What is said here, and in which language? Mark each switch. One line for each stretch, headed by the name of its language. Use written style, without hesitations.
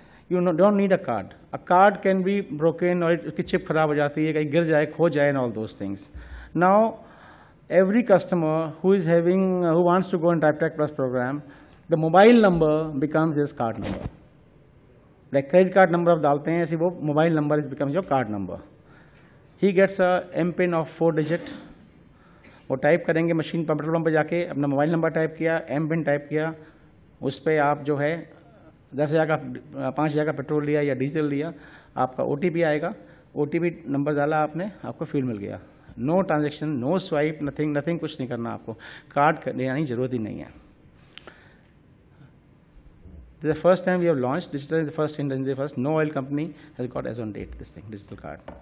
English: You don't need a card. A card can be broken or
Hindi: chip kharab ho jati hai, kahin gir jaye, kho jaye
English: and all those things. Now, every customer who wants to go in DriveTrack Plus program, the mobile number becomes his card number. Like credit card number of
Hindi: dalte hai, aise wo
English: mobile number becomes your card number. He gets a M PIN of 4 digit.
Hindi: वो type करेंगे machine petrol pump पर जाके, अपना mobile number type किया, M pin type किया, उस पर आप जो है 10,000 का 5,000 का पेट्रोल लिया या डीजल लिया, आपका OTP आएगा, OTP नंबर डाला आपने, आपको फील मिल गया.
English: no transaction, no swipe, nothing,
Hindi: कुछ नहीं करना आपको, कार्ड लेने जरूरत ही नहीं है.
English: This is the first time we have launched digital, the first Indian, the first, no oil company has got as on date this thing, digital card.